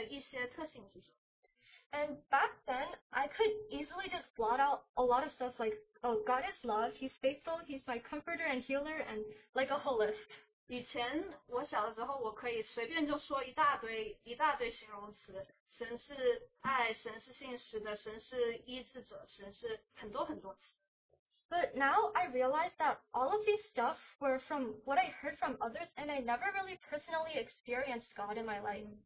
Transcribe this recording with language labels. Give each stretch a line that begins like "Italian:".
Chinese: 第一点是大家应该都有人问过你，谁是神，神的一些特性是什么。
English: And back then, I could easily just blot out a lot of stuff like, oh, God is love, He's faithful, He's my comforter and healer, and like a whole list.
Chinese: 以前我小的时候，我可以随便就说一大堆形容词，神是爱，神是信实的，神是医治者，神是很多很多词。
English: But now I realize that all of these stuff were from what I heard from others, and I never really personally experienced God in my life.